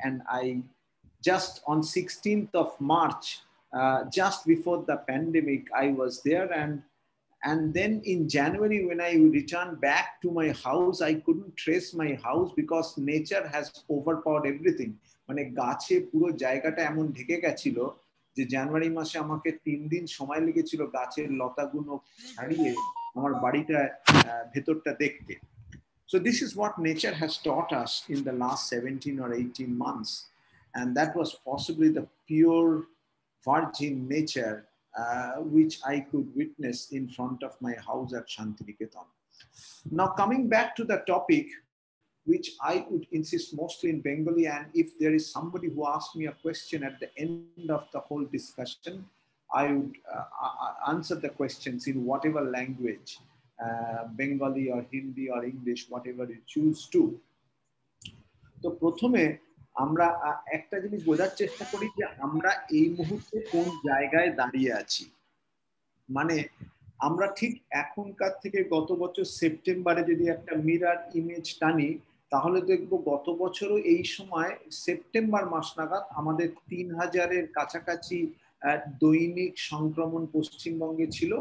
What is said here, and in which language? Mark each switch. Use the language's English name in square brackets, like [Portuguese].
[English] And I just on 16th of March, just before the pandemic, I was there. And then in January, when I returned back to my house, I couldn't trace my house because nature has overpowered everything. [Bangla] মানে গাছে পুরো জায়গাটা এমন ঢেকে গেছিল যে জানুয়ারি মাসে আমাকে তিন দিন সময় লেগেছিল গাছের লতাগুলো ছাড়িয়ে আমার বাড়িটা ভেতরটা দেখতে. [English] So this is what nature has taught us in the last 17 or 18 months. And that was possibly the pure virgin nature which I could witness in front of my house at Shantiniketan. Now, coming back to the topic, which I would insist mostly in Bengali, and if there is somebody who asks me a question at the end of the whole discussion, I would answer the questions in whatever language, Bengali or Hindi or English, whatever you choose to. So, [Bangla] prothome, আমরা একটা জিনিস বোঝার চেষ্টা করি যে আমরা এই মুহূর্তে কোন জায়গায় দাঁড়িয়ে আছি. মানে আমরা ঠিক এখনকার থেকে গত বছর সেপ্টেম্বরে যদি একটা মিরার ইমেজ টানি, তাহলে দেখব গত বছরও এই সময় সেপ্টেম্বর মাস নাগাদ আমাদের 3000-এর কাছাকাছি দৈনিক সংক্রমণ পশ্চিমবঙ্গে ছিল.